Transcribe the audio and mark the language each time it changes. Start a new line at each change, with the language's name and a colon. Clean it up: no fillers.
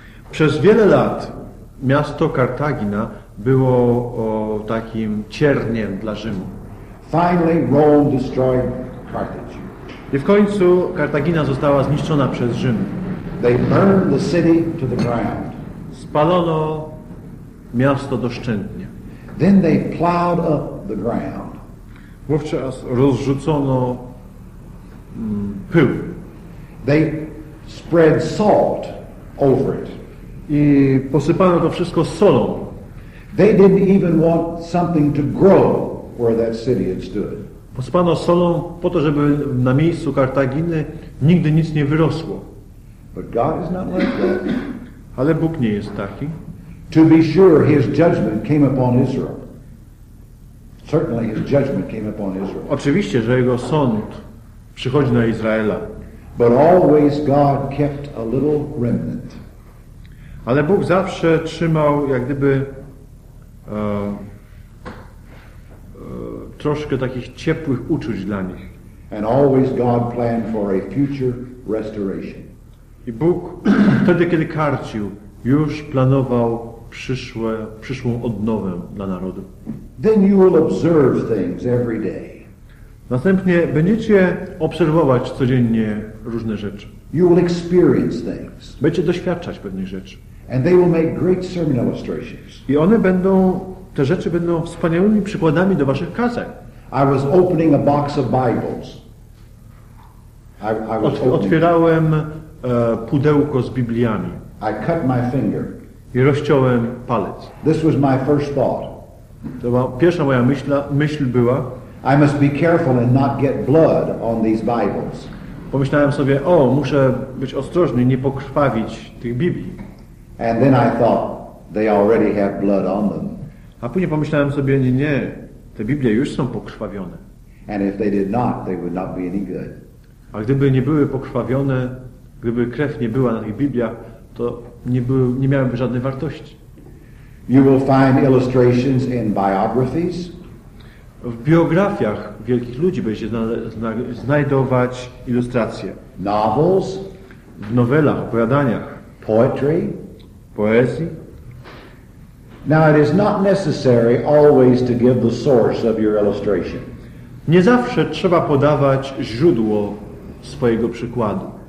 Polish: Przez wiele lat miasto Kartagina było takim cierniem dla Rzymu.
English: Finally, Rome destroyed Carthage.
Polish: I w końcu Kartagina została zniszczona przez Rzym.
English: They burned the city to the ground.
Polish: Spalono miasto doszczętnie.
English: Then they plowed up the ground.
Polish: Wówczas rozrzucono pył.
English: They spread salt over it.
Polish: I posypano to wszystko solą.
English: They didn't even want something to grow where that city had stood.
Polish: Posypano solą po to, żeby na miejscu Kartaginy nigdy nic nie wyrosło.
English: But God is not like that.
Polish: Ale Bóg nie jest taki.
English: To be sure, his judgment came upon Israel. Certainly his judgment came upon Israel.
Polish: Oczywiście, że jego sąd przychodzi na Izraela.
English: But always God kept a little remnant.
Polish: Ale Bóg zawsze trzymał jak gdyby troszkę takich ciepłych uczuć dla nich.
English: And always God planned for a future restoration.
Polish: I Bóg wtedy, kiedy karcił, już planował przyszłą odnowę dla narodu.
English: Then you will observe things every day.
Polish: Następnie będziecie obserwować codziennie różne rzeczy.
English: You will experience things.
Polish: Będziecie doświadczać pewnych rzeczy.
English: And they will make great sermon illustrations.
Polish: I one będą, te rzeczy będą wspaniałymi przykładami do waszych kazań.
English: I was opening a box of Bibles.
Polish: Otwierałem pudełko z Bibliami.
English: I cut my finger.
Polish: I rozciąłem palec.
English: This was my first thought.
Polish: To była pierwsza moja myśl była.
English: I must be careful and not get blood on these Bibles.
Polish: Pomyślałem sobie, o, muszę być ostrożny, nie pokrwawić tych Biblii.
English: And then I thought, they already have blood on them.
Polish: A później pomyślałem sobie, nie, te Biblie już są pokrwawione.
English: And if they did not, they would not be any good.
Polish: A gdyby nie były pokrwawione, gdyby krew nie była na tych Bibliach, to nie miałyby żadnej wartości.
English: You will find illustrations in biographies.
Polish: W biografiach wielkich ludzi będzie znajdować ilustracje.
English: Novels.
Polish: W nowelach, opowiadaniach.
English: Poetry.
Polish: Poezji.
English: Now it is not necessary always to give the source of your illustration.
Polish: Nie zawsze trzeba podawać źródło swojego przykładu.